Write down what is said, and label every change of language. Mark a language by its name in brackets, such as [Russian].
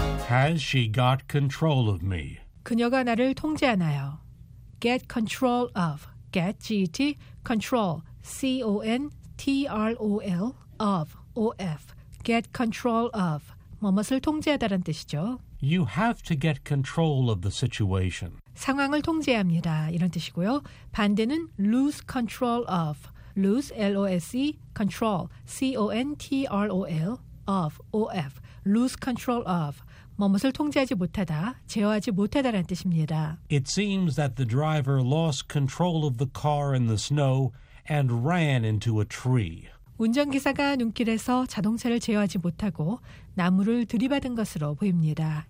[English] Has she got control of me? [Korean] 그녀가 나를 통제하나요? [English] Get control of. Get, G-E-T, control. C-O-N-T-R-O-L, of, O-F. Get control of. [Korean] 뭐뭇을 통제하다란 뜻이죠. [English] You have to get control of the situation. [Korean] 상황을 통제합니다. 이런 뜻이고요. 반대는 [English] lose control of. Lose, L-O-S-E, control. C-O-N-T-R-O-L, of, O-F. Lose control of. [Korean] 뭐뭇을 통제하지 못하다, 제어하지 못하다란 뜻입니다. [English] It seems that the driver lost control of the car in the snow and ran into a tree. [Korean] 운전기사가 눈길에서 자동차를 제어하지 못하고 나무를 들이받은 것으로 보입니다.